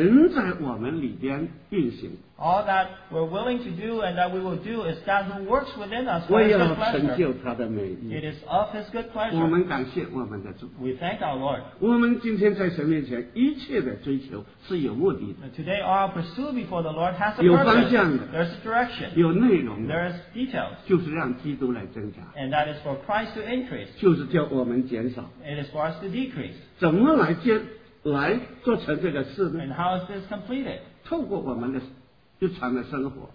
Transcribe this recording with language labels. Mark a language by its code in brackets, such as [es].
[zh] 我们一直行事都是神在我们里边运行。 [en] All that we're willing to do and that we will do is God who works within us for His good pleasure. It is of His good pleasure. [zh] 我们感谢我们的主。 [en] We thank our Lord. [zh] 我们今天在神面前一切的追求是有目的的。 [en] Today our pursuit before the Lord has a [zh] 有方向的, [en] purpose. There's a direction. [zh] 有内容的, [en] there is details. [zh] 就是让基督来增长。 [en] And that is for Christ to increase. [zh] 就是叫我们减少。 [en] It is for us to decrease. [zh] 怎么来做成这个事呢? [en] And how is this completed? [zh] 透过我们的 日常的生活,